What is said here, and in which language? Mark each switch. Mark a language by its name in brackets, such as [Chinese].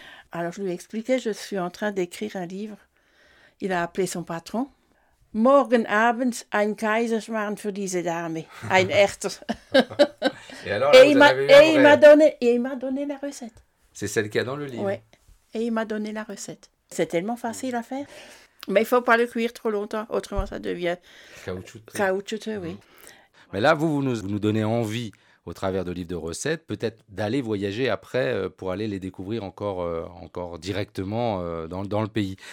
[French] Alors je lui ai expliqué, je suis en train d'écrire un livre. Il a appelé son patron. [German] Morgen abends ein Kaiserschmarrn für diese Dame, ein Erster. [French] Et il m'a donné la recette. C'est celle qu'il y a dans le livre. Oui, et il m'a donné la recette. C'est tellement facile à faire, mais il ne faut pas le cuire trop longtemps, autrement ça devient caoutchouteux, oui. Mais là, vous nous donnez envie, au travers de livres de recettes, peut-être d'aller voyager après pour aller les découvrir encore directement dans le pays.